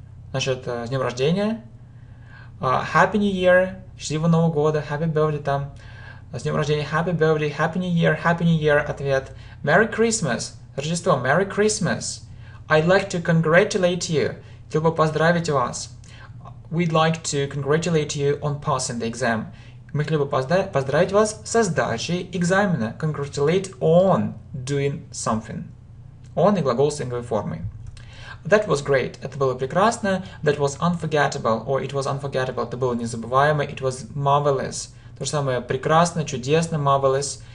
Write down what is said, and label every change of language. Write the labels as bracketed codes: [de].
[ru] Значит, с днем рождения. [en] Happy New Year. [ru] Счастливого Нового года. [en] Happy birthday там. [ru] С днем рождения. [en] Happy birthday. Happy New Year. Happy New Year. [ru] Ответ. [en] Merry Christmas. [ru] Рождество. [en] Merry Christmas. I'd like to congratulate you. [ru] Хотел бы поздравить вас. [en] We'd like to congratulate you on passing the exam. [ru] Мы хотели бы поздравить вас со сдачей экзамена. [en] Congratulate on doing something. [ru] On и глагол сингловой формы. [en] That was great. [ru] Это было прекрасно. [en] That was unforgettable. Or it was unforgettable. [ru] Это было незабываемо. [en] It was marvelous. [ru] То же самое. Прекрасно, чудесно, marvelous.